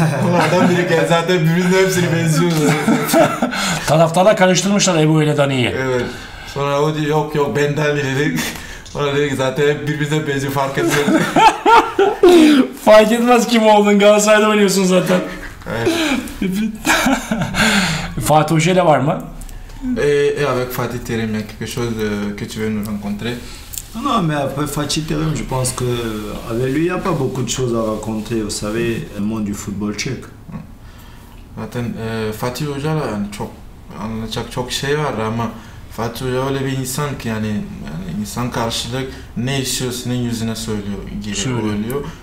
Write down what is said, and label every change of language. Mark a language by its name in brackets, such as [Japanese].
[Turkish] Onlardan biri geldi, zaten birbirine hepsini benziyoruz. Taraftarla karıştırmışlar Ebu ile Dani'yi. Evet, sonra o diyor yok ben Dani dedi. Sonra dedi ki zaten birbirine benziyor, fark etmez. Fark etmez kim oldun, Galatasaray'da oynuyorsun zaten. Evet. Fatih Hoca ile var mı? [French] Avec Fatih Terim, il y a quelque chose que tu veux nous rencontrer? Non, mais après Fatih Terim, je pense qu'avec lui, il n'y a pas beaucoup de choses à raconter, vous savez, le monde du football tchèque. [Turkish] Zaten Fatih Hoca là, çok anlatacak çok şey var ama Fatih Hoca öyle bir insan ki yani insan karşılık ne istiyor senin yüzüne söylüyor, geliyor, söylüyor.